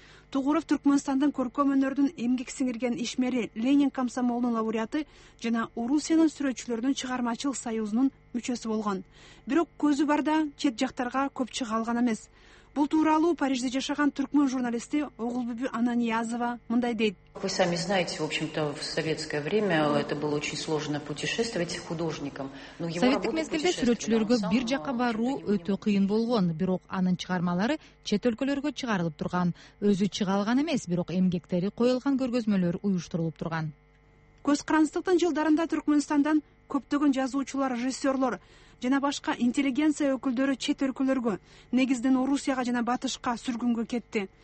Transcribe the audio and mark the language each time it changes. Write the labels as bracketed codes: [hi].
[ky] Тугуров Түркмөнстандын көркөм өнөрдүн эмгек сиңирген ишмери, Ленин комсомолунун лауреаты жана Орусиянын сүрөтчүлөрдүн чыгармачылык союзунун мүчөсү болгон. Бирок көзү барда чет жактарга көп чыга алган эмес. Бул тууралуу Парижде жашаган түркмөн журналисти Огулбүбү Ананиязова мындай дейт. [ru] Вы сами знаете, в общем-то, в советское время это было очень сложно путешествовать художникам. [ky] Советтик мезгилде сүрөтчүлөргө бир жака баруу өтө кыйын болгон, бирок анын чыгармалары чет өлкөлөргө чыгарылып турган. Өзү чыга алган эмес, бирок эмгектери коюлган көргөзмөлөр уюштурулуп турган. Көз кыранстыктын жылдарында Түркмөнстандан көптөгөн жазуучулар, режиссерлор жана башка интеллигенция өкүлдөрү чет өлкөлөргө, негизинен Орусияга жана Батышка сүргүнгө кетти.